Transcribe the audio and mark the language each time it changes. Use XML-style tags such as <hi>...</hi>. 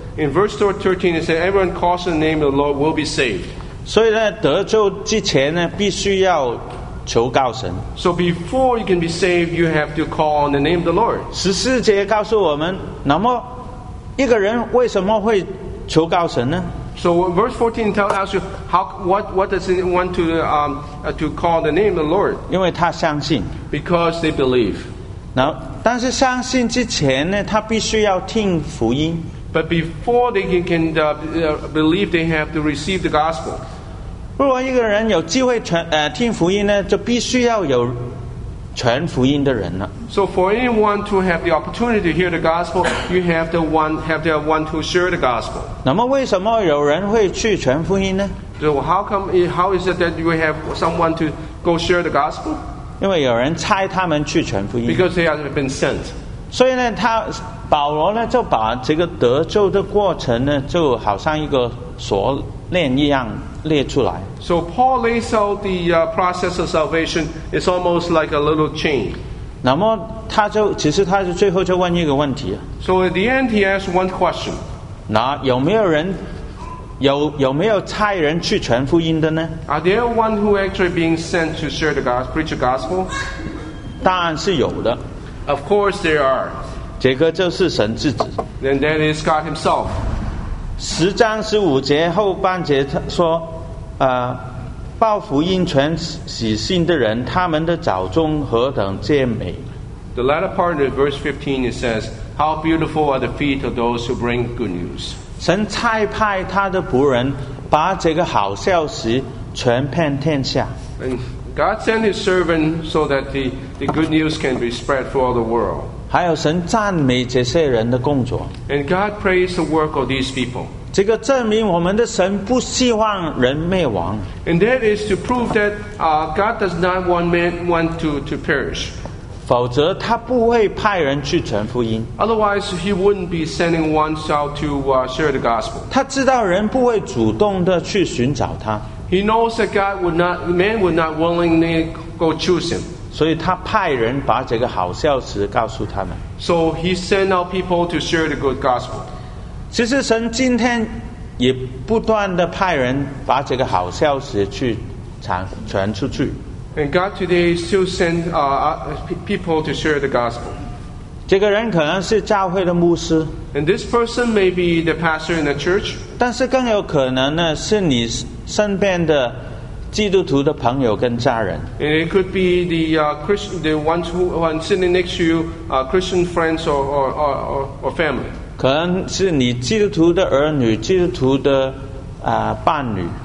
<en>In verse 13, it says everyone calls on the name of the Lord will be saved.</en> <zh>所以呢，得救之前呢，必须要。求告神。</zh> <en>So before you can be saved, you have to call on the name of the Lord.</en> <zh>十四节告诉我们，那么一个人为什么会求告神呢</zh> <en>？So verse 14 tells you how what does he want to call the name of the Lord?</en> <zh>因为他相信。</zh> <en>Because they believe.</en> <zh>那但是相信之前呢，他必须要听福音。</zh> <en>But before they can believe, they have to receive the gospel.</en> <zh>如果一个人有机会听福音呢，就必须要有传福音的人了。</zh> <en>So for anyone to have the opportunity to hear the gospel, you have to have one to share the gospel.</en> <zh>那么为什么有人会去传福音呢</zh> <en>？So how is it that you have someone to go share the gospel?</en> <zh>因为有人差他们去传福音。</zh> <en>Because they have been sent.</en> <zh>所以呢，保罗呢就把这个得救的过程呢，就好像一个锁链一样。</zh> <en>So Paul lays out the process of salvation. It's almost like a little chain.</en> <zh>那么他就其实他就最后就问一个问题。</zh> <en>So at the end, he asked one question.</en> <zh>那有没有差人去传福音的呢</zh> <en>？Are there one who actually being sent to share the gospel, preach the gospel?</en> <zh>答案是有的。</zh> <en>Of course there are.</en> <zh>这个就是神自己。</zh> <en>Then that is God Himself.</en> <zh>十章十五节后半节他说报福音传喜信的人他们的脚中何等健美</zh> <en>The latter part of verse 15 it says How beautiful are the feet of those who bring good news</en> <zh>神差派他的仆人把这个好消息传遍天下</zh> <en>And God sent his servant so that the good news can be spread for all the world</en> <zh>还有神赞美这些人的工作</zh> <en>And God praised the work of these people</en> <zh>这个证明我们的神不希望人灭亡</zh> <en>And that is to prove that God does not want man to perish</en> <zh>否则他不会派人去传福音</zh> <en>Otherwise he wouldn't be sending ones out to share the gospel</en> <zh>他知道人不会主动的去寻找他</zh> <en>He knows that man would not willingly go choose him</en> <zh>所以他派人把这个好消息告诉他们。</zh> <en>So he sent out people to share the good gospel.</en> <zh>其实神今天也不断地派人把这个好消息去传出去。</zh> <en>And God today still sends people to share the gospel.</en> <zh>这个人可能是教会的牧师。</zh> <en>And this person may be the pastor in the church.</en> <zh>但是更有可能呢，是你身边的基督徒的朋友跟家人。</zh> <en>And it could be the ones who are sitting next to you, Christian friends or family.</en> <zh>可能是你基督徒的儿女，基督徒的伴侣。</zh>